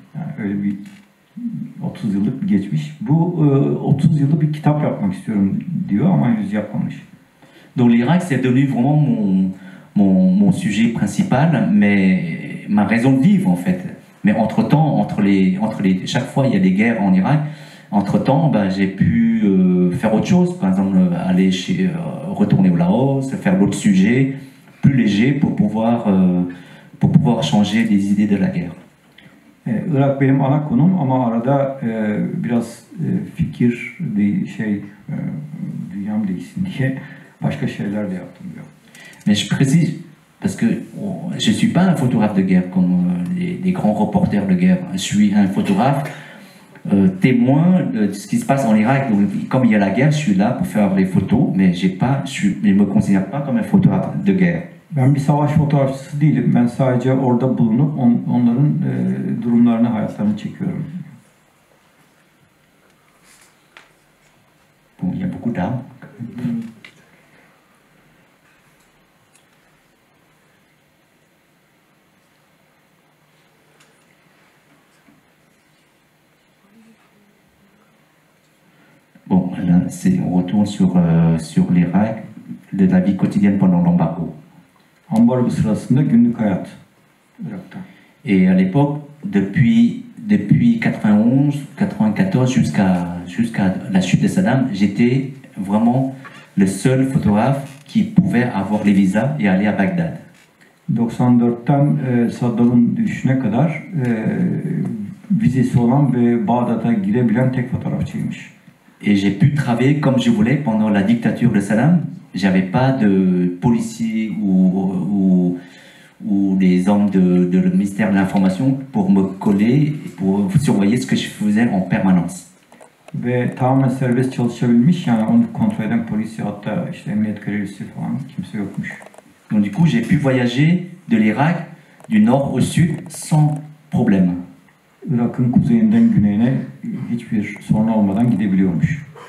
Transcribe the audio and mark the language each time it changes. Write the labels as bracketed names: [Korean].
[Turkish] Yani öyle bir 30 yıllık bir geçmiş. Bu 30 yıllık bir kitap yapmak istiyorum diyor ama henüz yapmamış. [French] Donc l'Irak c'est devenu vraiment mon sujet principal, mais ma raison de vivre en fait. Mais entre-temps, entre les chaque fois il y a des guerres en Irak, entre-temps, ben j'ai pu faire autre chose, par exemple aller chez retourner au Laos, faire d'autres sujets plus léger pour pouvoir changer les idées de la guerre. [Turkish] Irak benim ana konum ama arada biraz fikir dünyam değilsin diye başka şeyler de yaptım diyor. [French] Mais je précise parce que je suis pas un photographe de guerre comme les grands reporters de guerre. Je suis un photographe témoin de ce qui se passe en Irak. Donc, comme il y a la guerre, je suis là pour faire les photos, mais je me considère pas comme un photographe de guerre. [Turkish] Ben bir savaş fotoğrafçısı değilim. Ben sadece orada bulunup onların durumlarını, hayatlarını çekiyorum. Bu ya bu kadar. [French] Bon, là, c'est on retourne sur l'Irak, de la vie quotidienne pendant l'embargo. [Turkish] Ambargo sırasında günlük hayat Irak'ta. [French] Et à l'époque, depuis 91, 94 jusqu'à la chute de Saddam, j'étais vraiment le seul photographe qui pouvaient avoir les visas et aller à Bagdad. [Turkish] 94'ten Saddam'ın düşüşüne kadar vizesi olan ve Bağdat'a girebilen tek fotoğrafçıymış. [French] Et j'ai pu travailler comme je voulais pendant la dictature de Saddam. J'avais pas de policiers ou des hommes de le ministère de l'information pour me coller et pour surveiller ce que je faisais en permanence. [Turkish] Ve tamamen serbest çalışabilmiş, yani onu kontrol eden polis ya da işte emniyet görevlisi falan kimse yokmuş. [French] Donc du coup, j'ai pu voyager de l'Irak du nord au sud sans problème. [Turkish] Irak'ın kuzeyinden güneyine hiçbir sorun olmadan gidebiliyormuş.